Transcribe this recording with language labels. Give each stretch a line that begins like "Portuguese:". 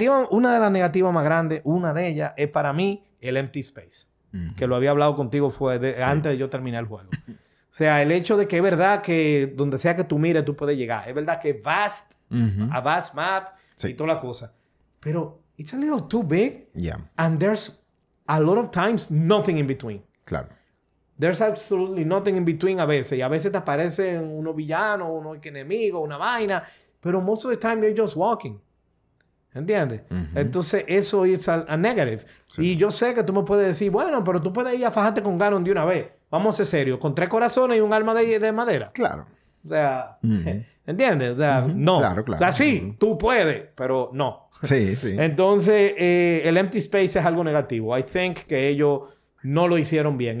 Spanish: Una de las negativas más grandes, una de ellas, es para mí el
English: empty space.
Spanish: Que lo había hablado contigo antes de yo terminar el juego. O sea, el hecho de que es verdad que donde sea que tú mires, tú puedes llegar. Es verdad que
English: vast, a vast map
Spanish: y toda la cosa.
English: Pero it's a little too big. Yeah. And there's a lot of times nothing in between.
Spanish: Claro.
English: There's absolutely nothing in between
Spanish: a veces. Y a veces te aparecen unos villanos, unos enemigos, una vaina.
English: Pero most of the time, you're just walking.
Spanish: ¿Entiendes? Entonces, eso es
English: a negative.
Spanish: Sí. Y yo sé que tú me puedes decir, bueno, pero tú puedes ir a fajarte con Ganon de una vez. Vamos a ser serios. Con 3 corazones y un arma de madera. Claro. O sea, ¿entiendes? O sea, no. Claro, claro. O sea, sí, tú puedes, pero no. Sí, sí. Entonces, el empty space es algo negativo.
English: I think
Spanish: que ellos no lo hicieron bien.